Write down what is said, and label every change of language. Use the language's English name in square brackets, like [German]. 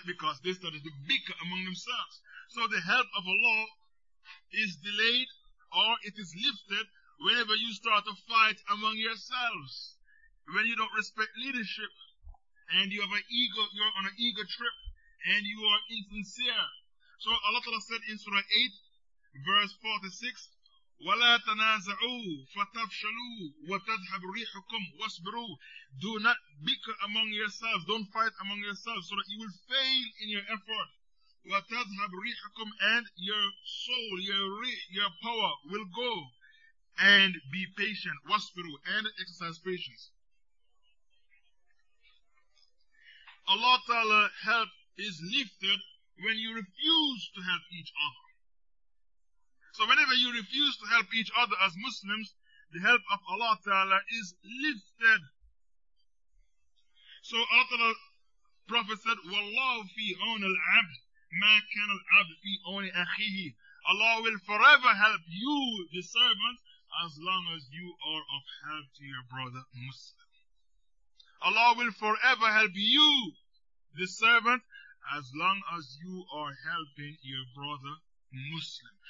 [English] Because they started to bicker among themselves. So the help of Allah is delayed or it is lifted whenever you start to fight among yourselves. When you don't respect leadership and you have an ego, you're on an ego trip and you are insincere. So Allah said in Surah 8, verse 46, [Arabic] ولا تنازعوا فتفشلوا وتذهب ريحكم واصبروا. [English] Do not bicker among yourselves. Don't fight among yourselves so that you will fail in your effort. [Arabic] وتذهب ريحكم, [English] and your soul, your power will go. And be patient. واصبروا, and exercise patience. Allah Ta'ala help is lifted when you refuse to help each other. So whenever you refuse to help each other as Muslims, the help of Allah Ta'ala is lifted. So Allah Ta'ala, Prophet said, [Arabic] وَاللَّهُ فِي أَوْنِ الْعَبْدِ مَا كَانَ الْعَبْدِ فِي أَوْنِ أَخِيهِ. [English] Allah will forever help you, the servant, as long as you are of help to your brother Muslim. Allah will forever help you, the servant, as long as you are helping your brother Muslim.